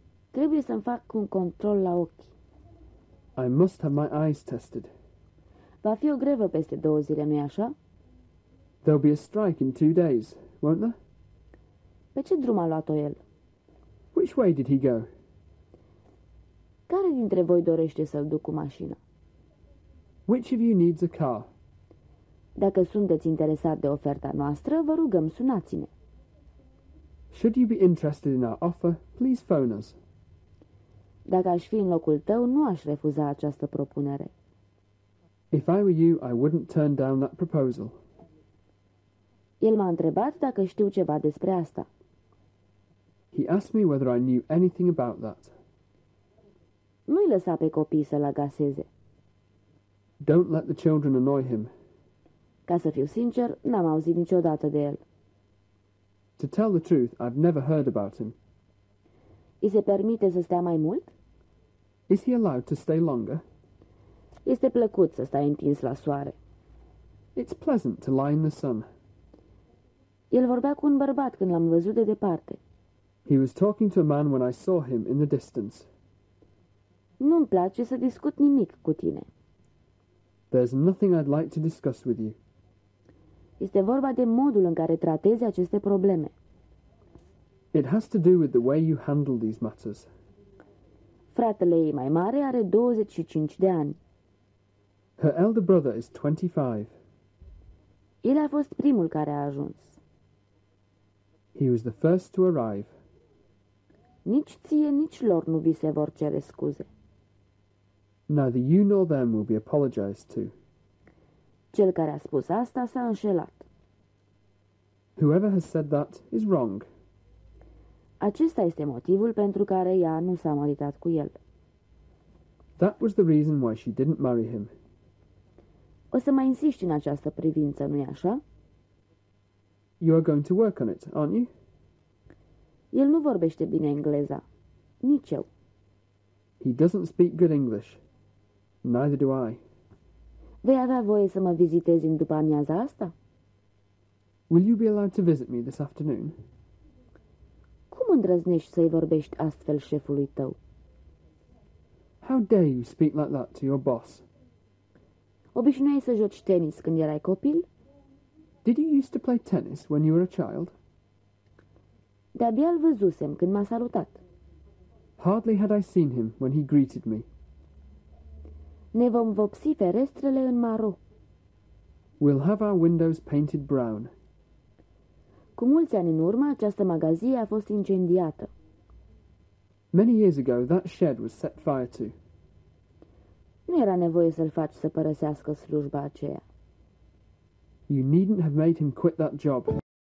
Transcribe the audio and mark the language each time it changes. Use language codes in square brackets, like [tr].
[ro] Trebuie să-mi fac un control la ochi. [en] I must have my eyes tested. [ro] Va fi o grevă peste două zile, nu-i așa? [en] There'll be a strike in 2 days, won't there? [ro] Pe ce drum a luat-o el? [en] Which way did he go? [ro] Care dintre voi dorește să-l duc cu mașina? [en] Which of you needs a car? [ro] Dacă sunteți interesat de oferta noastră, vă rugăm sunați-ne. [en] Should you be interested in our offer, please phone us. [ro] Dacă aș fi în locul tău, nu aș refuza această propunere. [en] If I were you, I wouldn't turn down that proposal. [ro] El m-a întrebat dacă știu ceva despre asta. [en] He asked me whether I knew anything about that. [ro] Nu-i lăsa pe copii să-l agaseze. [en] Don't let the children annoy him. [ro] Ca să fiu sincer, n-am auzit niciodată de el. [en] To tell the truth, I've never heard about him. [ro] I se permite să stea mai mult? [en] Is he allowed to stay longer? [ro] Este plăcut să stai întins la soare. [en] It's pleasant to lie in the sun. [ro] El vorbea cu un bărbat când l-am văzut de departe. [en] He was talking to a man when I saw him in the distance. [ro] Nu-mi place să discut nimic cu tine. [en] There's nothing I'd like to discuss with you. [ro] Este vorba de modul în care tratezi aceste probleme. [en] It has to do with the way you handle these matters. [ro] Fratele ei mai mare are 25 de ani. [en] Her elder brother is 25. [ro] El a fost primul care a ajuns. [en] He was the first to arrive. [ro] Nici ție, nici lor nu vi se vor cere scuze. [en] Neither you nor them will be apologized to. [ro] Cel care a spus asta s-a înșelat. [en] Whoever has said that is wrong. [ro] Acesta este motivul pentru care ea nu s-a măritat cu el. [en] That was the reason why she didn't marry him. [ro] O să mai insisti în această privință, nu-i așa? [en] You are going to work on it, aren't you? [ro] El nu vorbește bine engleza. Nici eu. [en] He doesn't speak good English. Neither do I. [ro] Vei avea voie să mă vizitezi în după-amiaza asta? [en] Will you be allowed to visit me this afternoon? [ro] Cum îndrăznești să-i vorbești astfel șefului tău? [en] How dare you speak like that to your boss? [ro] Obișnuiai să joci tenis când erai copil? [en] Did you used to play tennis when you were a child? [ro] De-abia îl văzusem când m-a salutat. [en] Hardly had I seen him when he greeted me. [ro] Ne vom vopsi ferestrele în maro. [en] We'll have our windows painted brown. [ro] Cu mulți ani în urmă, această magazie a fost incendiată. [en] Many years ago, that shed was set fire to. [ro] Nu era nevoie să-l faci să părăsească slujba aceea. [en] You needn't have made him quit that job.